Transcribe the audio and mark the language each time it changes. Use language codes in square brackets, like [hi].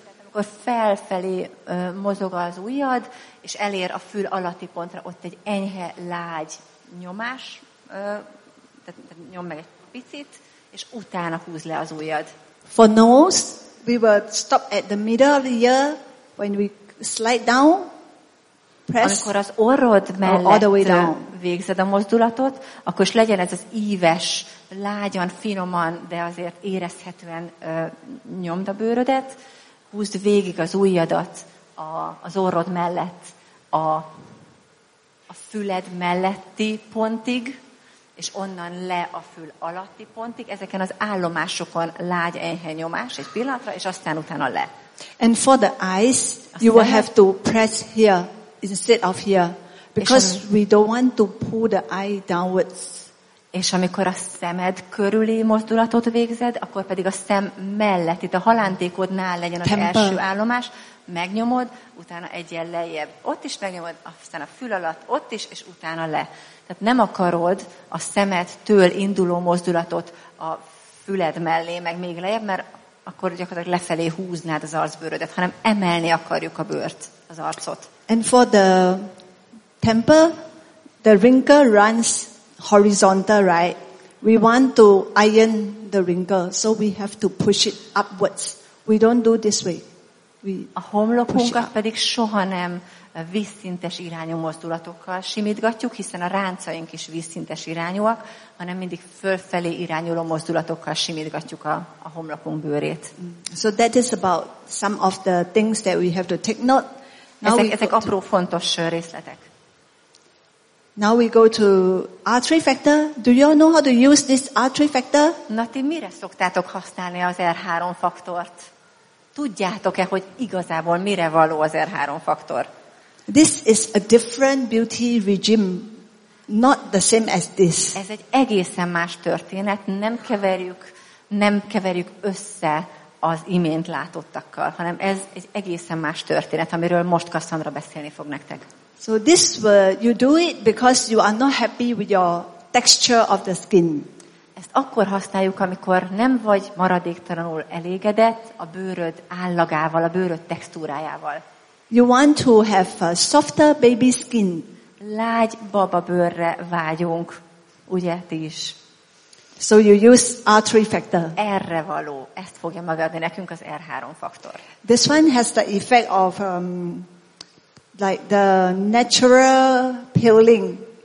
[hu] Akkor felfelé mozog az ujjad, és elér a fül alatti pontra, ott egy enyhe, lágy nyomás, tehát nyom meg egy picit, és utána húz le az ujjad. [en] For nose, we will stop at the middle of the ear, when we slide down, press. [hu] Amikor az orrod mellett végzed a mozdulatot, akkor is legyen ez az íves, lágyan, finoman, de azért érezhetően nyomd a bőrödet. Húzd végig az ujjadat az orrod mellett, a füled melletti pontig, és onnan le a fül alatti pontig. Ezeken az állomásokon lágy enyhe nyomás egy pillanatra, és aztán utána le. [en] And for the eyes, you will have to press here instead of here, because we don't want to pull the eye downwards. [hu] És amikor a szemed körüli mozdulatot végzed, akkor pedig a szem mellett, itt a halántékodnál legyen az első állomás, megnyomod, utána egyen lejjebb. Ott is megnyomod, aztán a fül alatt, ott is, és utána le. Tehát nem akarod a szemedtől induló mozdulatot a füled mellé, meg még lejjebb, mert akkor gyakorlatilag lefelé húznád az arcbőrödet, hanem emelni akarjuk a bőrt, az arcot. [en] And for the temple, the wrinkle runs horizontal, right? We want to iron the wrinkle, so we have to push it upwards. We don't do this way. [hu] A homlokunkat pedig soha nem vízszintes irányú mozdulatokkal simítgatjuk, hiszen a ráncaink is vízszintes irányúak, hanem mindig fölfelé irányuló mozdulatokkal simítgatjuk a homlokunk bőrét. [en] So that is about some of the things that we have to take note. Now [hu] ezek apró fontos részletek. [en] Now we go to R3 factor. Do you all know how to use this R3 factor? [hu] Na ti mire szoktátok használni az R3 faktort? Tudjátok-e, hogy igazából mire való az R3 faktor? [en] This is a different beauty regime. Not the same as this. [hu] Ez egy egészen más történet. Nem keverjük össze az imént látottakkal, hanem ez egy egészen más történet, amiről most Cassandra beszélni fog nektek. [en] So this you do it because you are not happy with your texture of the skin. [hu] Ezt akkor használjuk, amikor nem vagy maradéktalanul elégedett a bőröd állagával, a bőröd textúrájával. [en] You want to have a softer baby skin. [hu] Lágy baba bőrre vágyunk, ugye ti is. [en] So you use R3 factor. [hu] Erre való, ezt fogja megadni nekünk az R3 faktor. [en] This one has the effect of like the natural peeling.